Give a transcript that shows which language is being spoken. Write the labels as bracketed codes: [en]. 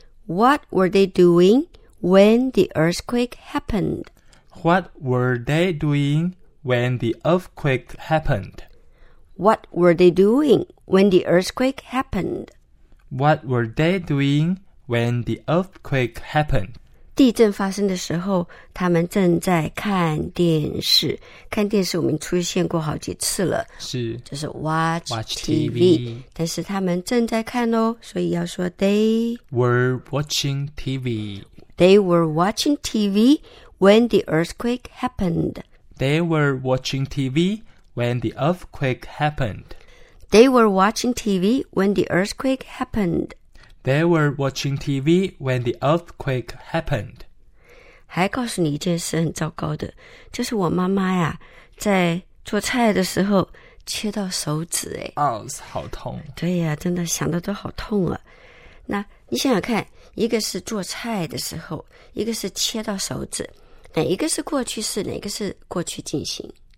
[en] What were they doing when the earthquake happened? What were they doing when the earthquake happened? What were they doing when the earthquake happened? What were they doing? When the earthquake happened. [zh] 地震发生的时候他们正在看电视。看电视我们出现过好几次了。是。就是 [en] watch TV。 [zh] 但是他们正在看哦，所以要说 [en] they were watching TV. They were watching TV when the earthquake happened. They were watching TV when the earthquake happened. They were watching TV when the earthquake happened. They were watching TV when the earthquake happened. [zh] 还告诉你一件事很糟糕的，就是我妈妈呀，在做菜的时候切到手指，哎，哦，好痛。对呀，真的想到都好痛啊。那你想想看，一个是做菜的时候，一个是切到手指，哪一个是过去式，哪一个是过去进行？